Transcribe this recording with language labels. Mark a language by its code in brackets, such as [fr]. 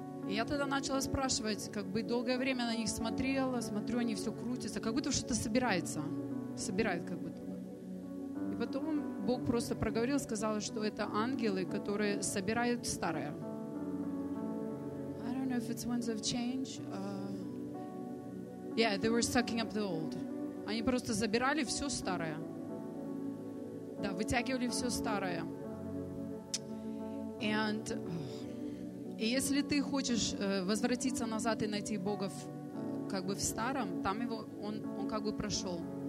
[ru] И я тогда начала спрашивать, как бы долгое время на них смотрела, смотрю, они все крутятся, как будто что-то собирается, собирает как будто. И потом Бог просто проговорил, сказал, что это ангелы, которые собирают старое. [en] I don't know if it's winds of change. Yeah, they were sucking up the old. [ru] Они просто забирали все старое. Да, вытягивали все старое. And, и если ты хочешь возвратиться назад и найти Бога в, как бы в старом, там его, он как бы прошел.